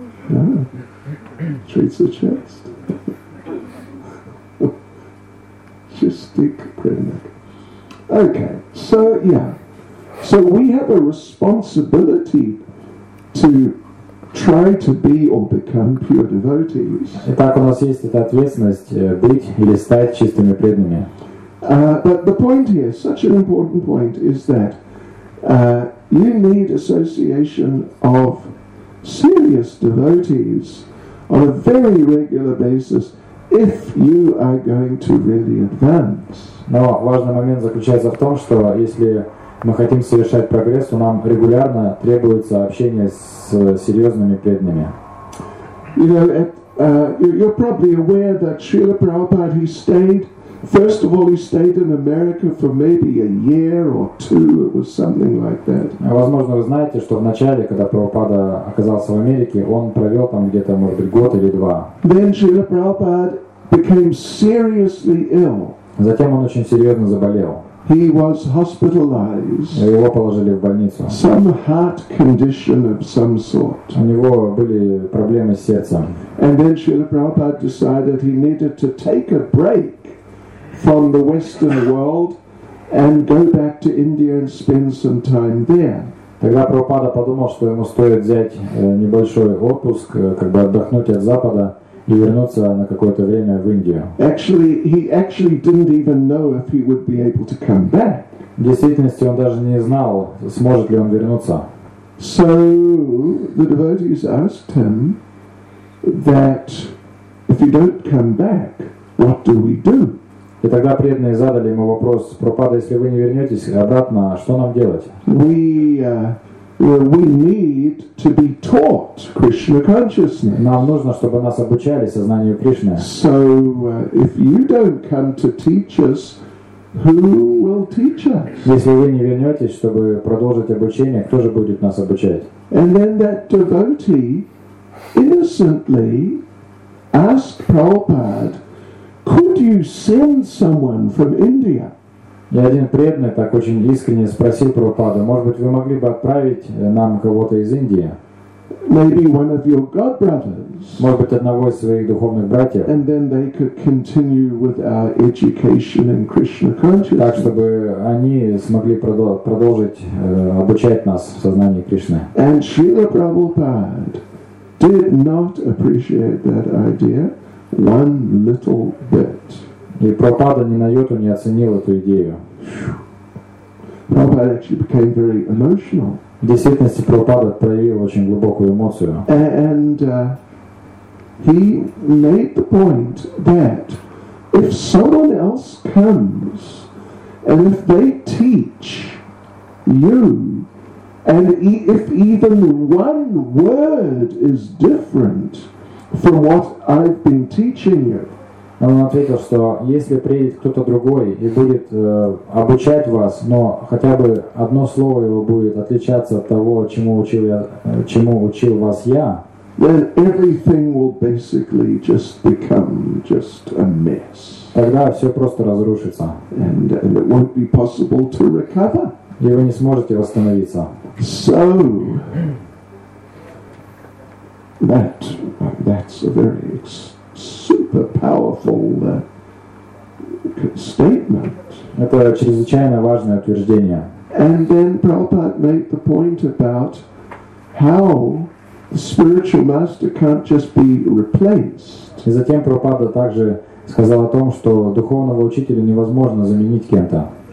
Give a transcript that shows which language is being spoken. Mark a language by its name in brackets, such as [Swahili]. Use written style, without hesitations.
[Russian] Да. 36 Чистик Предник. [English] Okay, so yeah. So we have a responsibility to try to be or become pure devotees. [Russian] Итак, у нас есть эта ответственность быть или стать чистыми преданными. [English] But the point here, such an important point, is that you need association of serious devotees on a very regular basis if you are going to really advance. [Russian] Но важный момент заключается в том, что если мы хотим совершать прогресс, то нам регулярно требуется общение с серьезными преданными. [English] You know, you're probably aware that Srila Prabhupada, he stayed in America for maybe a year or two, it was something like that. [Russian] Возможно, вы знаете, что вначале, когда Прабхупада оказался в Америке, он провел там где-то, может быть, год или два. [English] Then Srila Prabhupada became seriously ill. [Russian] Затем он очень серьезно заболел. [English] He was hospitalized. [Russian] Его положили в больницу. [English] Some heart condition of some sort. [Russian] У него были проблемы с сердцем. [English] And then Srila Prabhupada decided he needed to take a break from the Western world and go back to India and spend some time there. [Russian] Тогда Прабхупада подумал, что ему стоит взять небольшой отпуск, как бы отдохнуть от Запада и вернуться на какое-то время в Индию. [English] Actually, he actually didn't even know if he would be able to come back. [Russian] В действительности он даже не знал, сможет ли он вернуться. [English] So the devotees asked him that if you don't come back, what do we do? [Russian] И тогда преданные задали ему вопрос: «Пропада, если вы не вернетесь обратно, что нам делать?» [English] We need to be taught Krishna consciousness. [Russian] Нам нужно, чтобы нас обучали сознанию Кришны. [English] So if you don't come to teach us, who will teach us? [Russian] Если вы не вернетесь, чтобы продолжить обучение, кто же будет нас обучать? [English] And then that devotee innocently asked Prabhupada, could you send someone from India? [Russian] И один преданный так очень искренне спросил Прабхупаду: может быть, вы могли бы отправить нам кого-то из Индии? [English] Maybe one of your god brothers. [Russian] Может быть, одного из своих духовных братьев. [English] And then they could continue with our education in Krishna consciousness. [Russian] Так, чтобы они смогли продолжить обучать нас в сознании Кришны. [English] And Srila Prabhupada did not appreciate that idea one little bit. [Russian] И Прабхупада ни на йоту не оценил эту идею. [English] Prabhupada actually became very emotional. [Russian] В действительности Прабхупада проявил очень глубокую эмоцию. [English] And he made the point that if someone else comes and if they teach you and if even one word is different from what I've been teaching you. [Russian] Он ответил, что если приедет кто-то другой и будет обучать вас, но хотя бы одно слово его будет отличаться от того, чему учил вас я, [English] then everything will basically just become just a mess. [Russian] Тогда все просто разрушится. [English] And it won't be possible to recover. [Russian] И вы не сможете восстановиться. [English] So that's a very super powerful statement. [Russian] Это чрезвычайно важное утверждение. [English] And then Prabhupada made the point about how the spiritual master can't just be replaced. [Russian] И затем Прабхупада также сказал о том, что духовного учителя невозможно заменить кем-то.